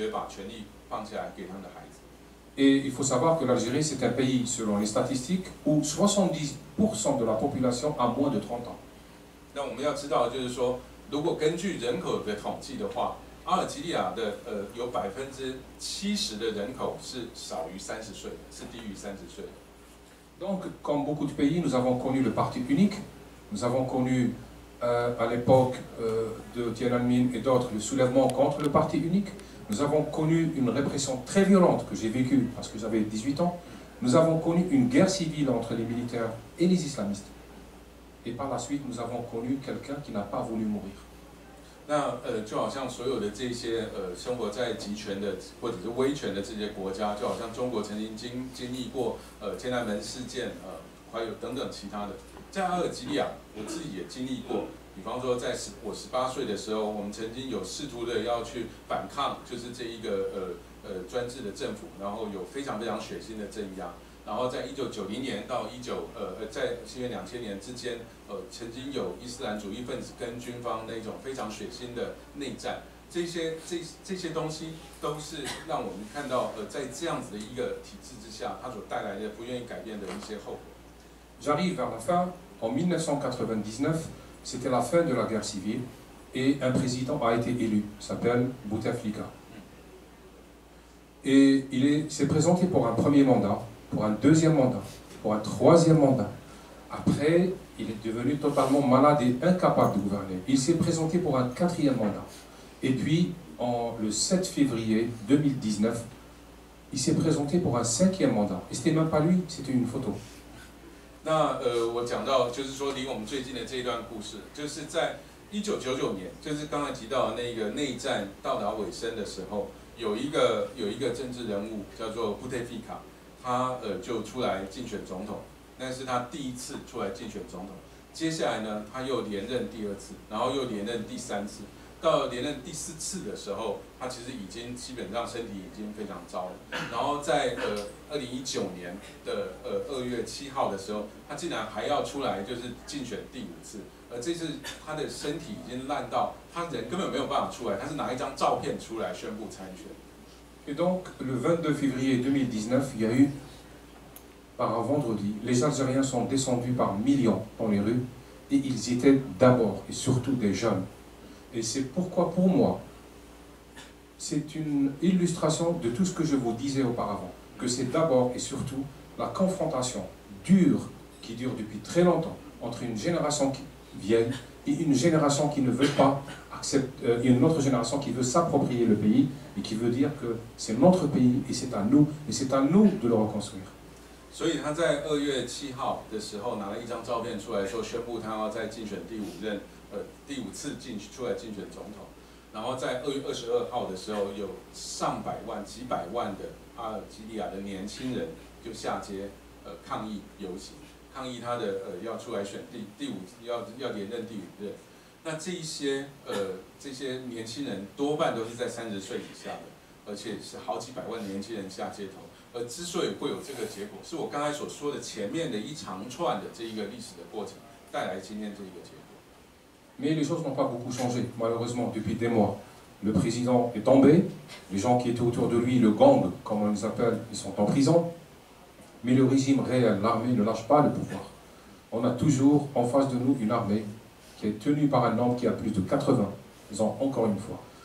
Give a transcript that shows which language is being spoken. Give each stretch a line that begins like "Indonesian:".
Chinese: 那这一个拒绝有小孩的这一个现象，以今天的阿尔及利亚来说，我们可以看到的就是今天绝大多数的官员，他们的平均年龄都已经超过80岁以上，就是拒绝把权力放下来给他们的孩子。
French: Et il faut savoir que l'Algérie c'est un pays selon les statistiques où 70% de la population a moins de 30 ans.
Chinese: 那我们要知道的就是说，如果根据人口的统计的话。阿尔及利亚的有70%的人口是少于30岁，是低于30岁的。
French: Donc, comme beaucoup de pays, nous avons connu le parti unique. Nous avons connu à l'époque de Tiananmen et d'autres le soulèvement contre le parti unique. Nous avons connu une répression très violente que j'ai vécue parce que j'avais 18 ans. Nous avons connu une guerre civile entre les militaires et les islamistes. Et par la suite, nous avons connu quelqu'un qui n'a pas voulu mourir.
Chinese: 那就好像所有的这些生活在集权的或者是威权的这些国家，就好像中国曾经经历过天安门事件，还有等等其他的，在阿尔及利亚，我自己也经历过。比方说，在我十八岁的时候，我们曾经有试图的要去反抗，就是这一个专制的政府，然后有非常非常血腥的镇压。然后在1990年到2000年之间，曾经有伊斯兰主义分子跟军方那种非常血腥的内战。这些东西都是让我们看到，在这样子的一个体制之下，它所带来的不愿意改变的一些后果。
French: J'arrive vers la fin en 1999。 C'était la fin de la guerre civile et un président a été élu, s'appelle Bouteflika. Et il s'est présenté pour un premier mandat, pour un deuxième mandat, pour un troisième mandat. Après, il est devenu totalement malade et incapable de gouverner. Il s'est présenté pour un quatrième mandat. Et puis, le 7 février 2019, il s'est présenté pour un cinquième mandat. Et ce n'était même pas lui, c'était une photo.
Chinese: 那我讲到就是说离我们最近的这一段故事，就是在1999年，就是刚才提到的那个内战到达尾声的时候，有一个政治人物叫做布特菲卡，他就出来竞选总统，那是他第一次出来竞选总统。接下来呢，他又连任第二次，然后又连任第三次，到连任第四次的时候，他其实已经基本上身体已经非常糟了。然后在2019年2月7号的时候，他竟然还要出来就是竞选第五次，而这次他的身体已经烂到他人根本没有办法出来，他是拿一张照片出来宣布参选。
French: Et donc le 22 février 2019, il y a eu par un vendredi, les Algériens sont descendus par millions dans les rues et ils étaient d'abord et surtout des jeunes. Et c'est pourquoi pour moi, c'est une illustration de tout ce que je vous disais auparavant, que c'est d'abord et surtout la confrontation dure qui dure depuis très longtemps entre une génération qui vient et une génération qui ne veut pas accepter, et une autre génération qui veut s'approprier le pays et qui veut dire que c'est notre pays et c'est à nous, et c'est à nous de le reconstruire.
Chinese: 所以他在二月七号的时候拿了一张照片出来说，宣布他要再竞选第五任，第五次出来竞选总统。然后在2月22号的时候，有上百万、几百万的阿尔及利亚的年轻人就下街，抗议游行，抗议他的要出来选第五要连任第五任。那这些年轻人多半都是在30岁以下的，而且是好几百万年轻人下街头。而之所以会有这个结果，是我刚才所说的前面的一长串的这一个历史的过程带来今天这一个结果。
French: Mais les choses n'ont pas beaucoup changé. Malheureusement, depuis des mois, le président est tombé. Les gens qui étaient autour de lui, le gang, comme on les appelle, ils sont en prison. Mais le régime réel, l'armée, ne lâche pas le pouvoir. On a toujours en face de nous une armée qui est tenue par un homme qui a plus de 80 ans, encore une fois.